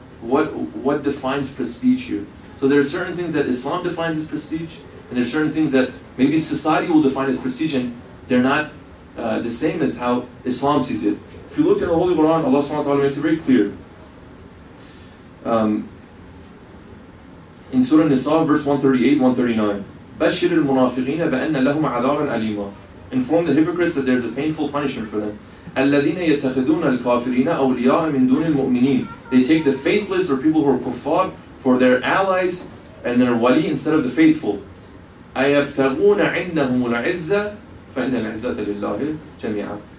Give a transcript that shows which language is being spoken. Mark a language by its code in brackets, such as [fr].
[en] What defines prestige here? So there are certain things that Islam defines as prestige, and there are certain things that maybe society will define as prestige, and they're not the same as how Islam sees it. If you look in the Holy Quran, Allah subhanahu wa ta'ala makes it very clear. In Surah Nisa, verse 138-139, [ar] بَشِّرِ الْمُنَافِقِينَ بَأَنَّ لَهُمْ عَذَابًا أَلِيمًا. [en] Inform the hypocrites that there's a painful punishment for them. [ar] الَّذِينَ يَتَّخِذُونَ الْكَافِرِينَ أَوْلِيَاءَ مِنْ دُونِ الْمُؤْمِنِينَ. [en] They take the faithless or people who are kuffar for their allies and their wali instead of the faithful. [ar] أَيَبْتَغُونَ عِنَّهُمُ الْعِزَّةِ فَإِنَّ الْعِزَّةَ لِلَّهِ جَمِيعًا.